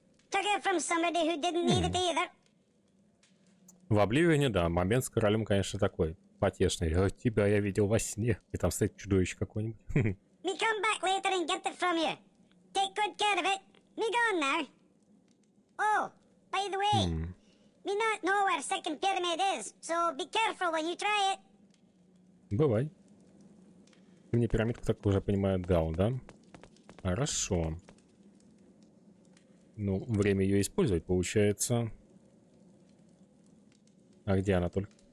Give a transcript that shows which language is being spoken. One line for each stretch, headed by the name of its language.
English: Took it from somebody who didn't need it either.
Russian: В Обливионе, да, момент с королем, конечно, такой потешный. Тебя я видел во сне, и там стоит чудовище какое-нибудь.
English: We come back later and get it from you. Take good care of it. We gone now. Oh, by the way, we not know where second pyramid is, so be careful when you try it.
Russian: Бывай. Ты мне пирамидку так уже понимаю дал, да? Хорошо. Ну, время ее использовать получается. А где она только?